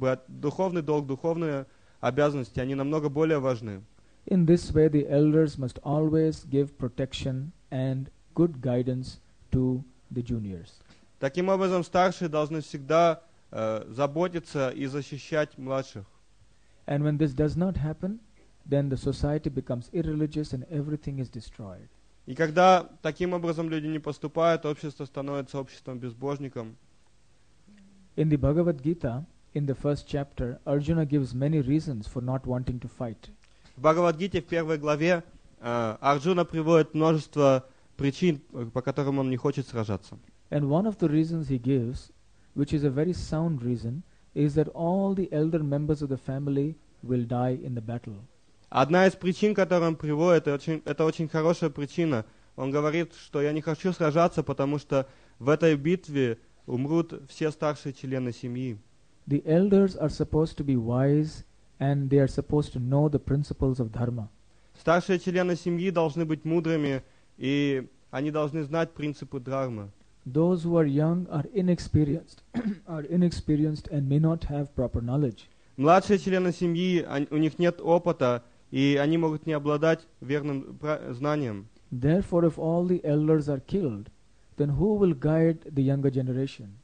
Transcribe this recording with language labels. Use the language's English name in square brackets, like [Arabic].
[Russian] Духовные обязанности, они намного более важны. [English] In this way, the elders must always give protection and good guidance to the juniors. [Russian] Таким образом, старшие должны всегда заботиться и защищать младших. [English] And when this does not happen, then the society becomes irreligious and everything is destroyed. [Russian] И когда таким образом люди не поступают, общество становится обществом безбожником. [English] In the Bhagavad Gita, in the first chapter, Arjuna gives many reasons for not wanting to fight. [Russian] В Бхагавад Гите, в первой главе, Арджуна приводит множество причин, по которым он не хочет сражаться. [English] And one of the reasons he gives, which is a very sound reason, is that all the elder members of the family will die in the battle. [Russian] Одна из причин, которую он приводит, это очень хорошая причина. Он говорит, что я не хочу сражаться, потому что в этой битве умрут все старшие члены семьи. [English] The elders are supposed to be wise, and they are supposed to know the principles of dharma. [Russian] Старшие члены семьи должны быть мудрыми, и они должны знать принципы дхармы. [English] Those who are young are inexperienced, and may not have proper knowledge. [Russian] Младшие члены семьи, у них нет опыта, и они могут не обладать верным знанием. [English] Therefore, if all the elders are killed, then who will guide the younger generation?